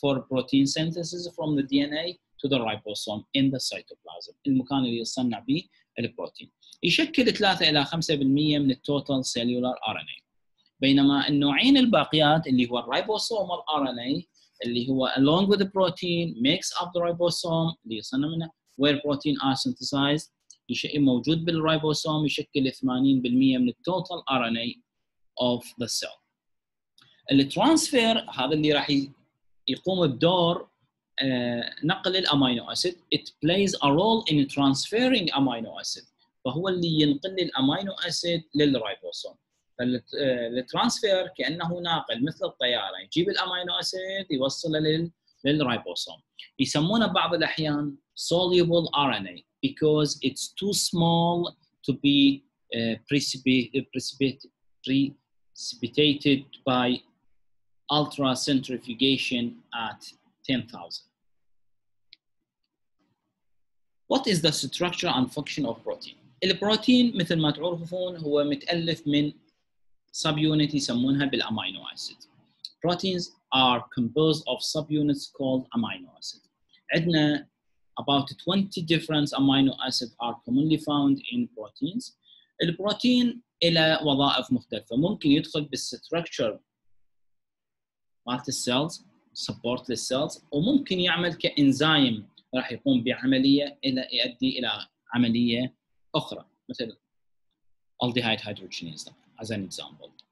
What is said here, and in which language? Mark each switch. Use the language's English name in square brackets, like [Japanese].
[English] for protein synthesis from the DNA to the ribosome in the cytoplasm. [Arabic] المكان اللي يصنع به البروتين. يشكل 3 إلى 5% من [English] total cellular RNA. [Arabic] بينما النوعين الباقيات اللي هو الريبوسومال RNA اللي هو [English] along with the protein makes up the ribosome [Arabic] اللي يصنع منه [English] where protein are synthesized [Arabic] موجود بالريبوسوم يشكل 80% من [English] total RNA of the cell. [Arabic] الترانسفير هذا اللي راح يقوم بدور نقل الأمينو أسيد [English] it plays a role in transferring amino acid [Arabic] فهو اللي ينقل الأمينو أسيد للريبوسوم فالترانسفير كأنه ناقل مثل الطيارة يجيب الأمينو أسيد يوصله للريبوسوم يسمونه بعض الأحيان [English] soluble RNA because it's too small to be precipitated by ultra centrifugation at 10,000. What is the structure and function of protein? The protein, [Arabic] مثل ما تعرفون, هو متألف من subunits يسمونها بالأمينو أسيد. [English] Proteins are composed of subunits called amino acids. [Arabic] عندنا [English] about 20 different amino acids are commonly found in proteins. The protein [Arabic] إلى وظائف مختلفة. ممكن يدخل بالstructure مالت cells. [English] Support the cells [Arabic] وممكن يعمل كإنزيم راح يقوم بعملية إلى يؤدي إلى عملية أخرى مثل [English] aldehyde hydrogenase as an example.